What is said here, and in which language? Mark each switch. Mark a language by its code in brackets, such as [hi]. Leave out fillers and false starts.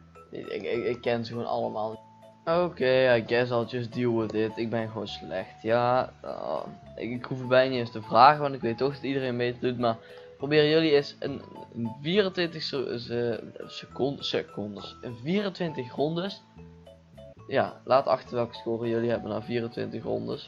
[nl] Ik ken ze gewoon allemaal. [en] Okay, I guess I'll just deal with it. [nl] Ik ben gewoon slecht. Ja, ik hoef er bijna niet eens te vragen, want ik weet toch dat iedereen beter doet. Maar proberen jullie eens een 24 rondes. Ja, laat achter welke score jullie hebben na 24 rondes.